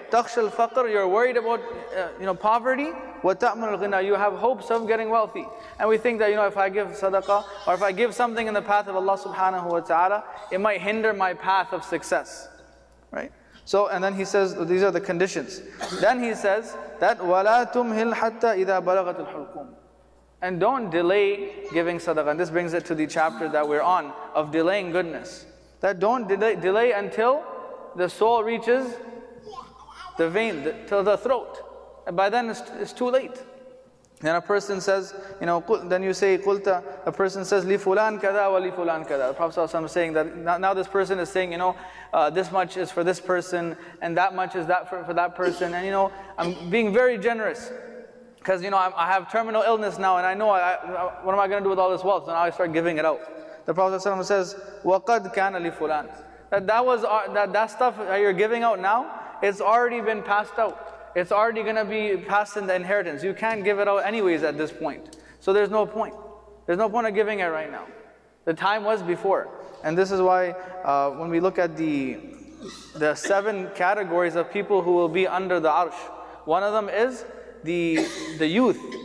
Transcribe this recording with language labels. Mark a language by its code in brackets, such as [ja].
[ar] تَخْشَ الْفَقْرِ, [en] you're worried about poverty. [ar] وَتَأْمُنُ الْغِنَى, [en] you have hopes of getting wealthy. And we think that, you know, if I give sadaqah, or if I give something in the path of Allah subhanahu wa ta'ala, it might hinder my path of success. Right? So, and then he says, these are the conditions. Then he says, that [ar] وَلَا تُمْهِلْ حَتَّى إِذَا بَلَغَتُ الْحُلْقُومِ. [en] And don't delay giving sadaqah. And this brings it to the chapter that we're on of delaying goodness. That don't delay until the soul reaches the vein, till the throat. And by then it's too late. Then a person says, you know, then you say, [ar] قُلْتَ, [en] a person says, [ar] لِي فُلَانْ كَذَا وَلِي فُلَانْ كَذَا. [en] The Prophet is saying that now this person is saying, you know, this much is for this person, and that much is that for that person. And you know, I'm being very generous. Because you know, I have terminal illness now, and I know, what am I going to do with all this wealth? So now I start giving it out. The Prophet says, [ar] وَقَدْ كَانَ لِي فُلَانْ. [en] That stuff that you're giving out now, it's already been passed out. It's already going to be passed in the inheritance. You can't give it out anyways at this point. So there's no point. There's no point of giving it right now. The time was before. And this is why when we look at the seven categories of people who will be under the arsh, one of them is the youth.